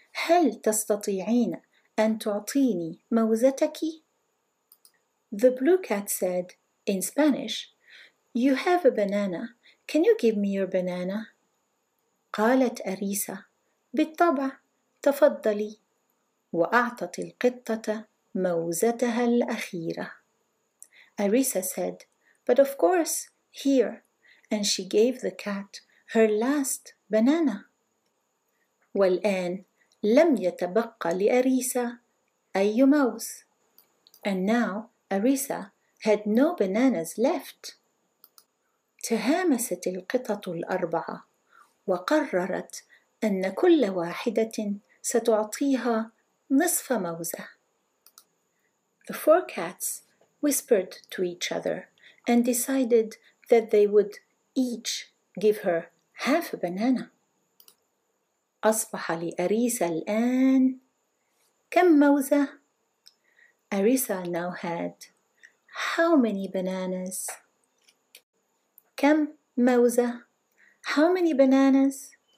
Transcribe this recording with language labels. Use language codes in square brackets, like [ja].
[ar] هل تستطيعين أن تعطيني موزتك؟ [en] The blue cat said in Spanish, You have a banana. Can you give me your banana? [ar] قالت أريسا: بالطبع، تفضلي. وأعطت القطة موزتها الأخيرة. [en] Arisa said, But of course, here. And she gave the cat her last banana. [ar] والآن لم يتبقى لأريسا أي موز. [en] And now Arisa had no bananas left. [ar] تهامست القطة الأربعة وقررت أن كل واحدة ستعطيها نصف موزة. [en] The four cats whispered to each other and decided that they would each give her half a banana. [ar] أصبح لأريسا الآن كم موزة؟ [en] Arisa now had how many bananas؟ [ar] كم موزة؟ [en] How many bananas؟